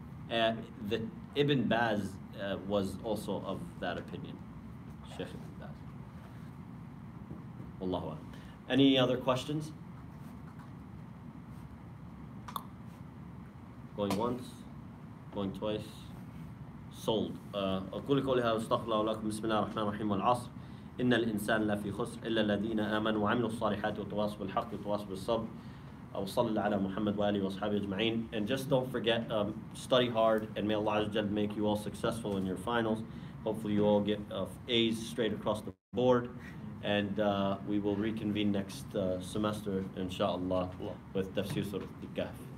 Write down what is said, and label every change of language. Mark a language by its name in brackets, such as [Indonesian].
[English] And the Ibn Baz was also of that opinion. Sheikh Ibn Baz. [Arabic] Wallahu a'lam. [English] Any other questions? Going once, going twice, sold. [Arabic] أقول قولها واستغفر الله لكم بسم الله الرحمن الرحيم والعصر إن الإنسان لا في خسر إلا الذين آمنوا وعملوا الصالحات وتواصوا بالحق وتواصوا بالصبر وصلى الله على محمد وآله وصحبه أجمعين. [English] And just don't forget, study hard, and may Allah Azza make you all successful in your finals. Hopefully you all get A's straight across the board, and we will reconvene next semester inshallah with Tafsir Surah Al-Kahf.